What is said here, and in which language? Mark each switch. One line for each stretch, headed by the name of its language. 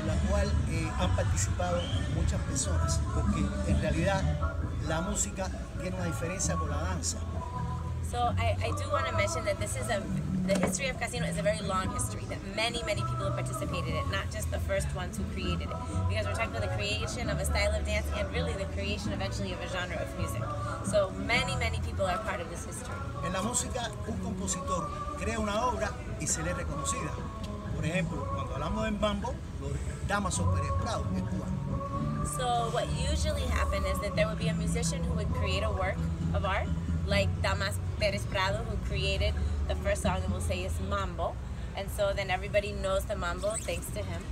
Spanish: En la cual han participado muchas personas, porque en realidad la música tiene una diferencia con la danza.
English: So I do want to mention that this is the history of Casino is a very long history, that many, many people have participated in it, not just the first ones who created it. Because we're talking about the creation of a style of dance and really the creation eventually of a genre of music. So many, many people are part of this history.
Spanish: En la música, un compositor crea una obra y se le reconocida. Por ejemplo, cuando hablamos de mambo, Damaso Pérez Prado es cubano.
English: So what usually happened is that there would be a musician who would create a work of art, like Damaso Pérez Prado, who created the first song and will say it's mambo. And so then everybody knows the mambo thanks to him.